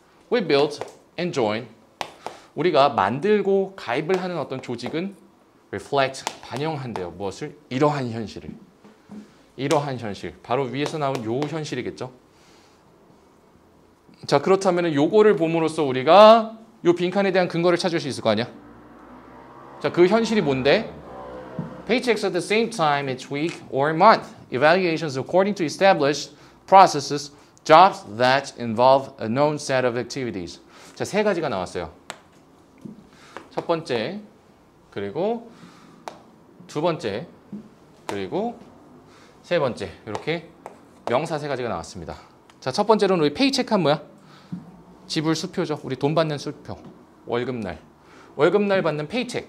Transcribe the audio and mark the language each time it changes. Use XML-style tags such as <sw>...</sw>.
<en>We build and join.</en> <ko>우리가 만들고 가입을 하는 어떤 조직은 reflect, 반영한대요. 무엇을? 이러한 현실을. 이러한 현실. 바로 위에서 나온 요 현실이겠죠? 자, 그렇다면 요거를 봄으로써 우리가 요 빈칸에 대한 근거를 찾을 수 있을 거 아니야? 자, 그 현실이 뭔데?</ko> <en>Paychecks at the same time each week or month. Evaluations according to established processes. Jobs that involve a known set of activities.</en> <ko>자, 세 가지가 나왔어요. 첫 번째, 그리고 두 번째, 그리고 세 번째. 이렇게 명사 세 가지가 나왔습니다. 자, 첫 번째로는 우리 페이체크한 뭐야? 지불 수표죠. 우리 돈 받는 수표. 월급날. 월급날 받는 페이체크.</ko>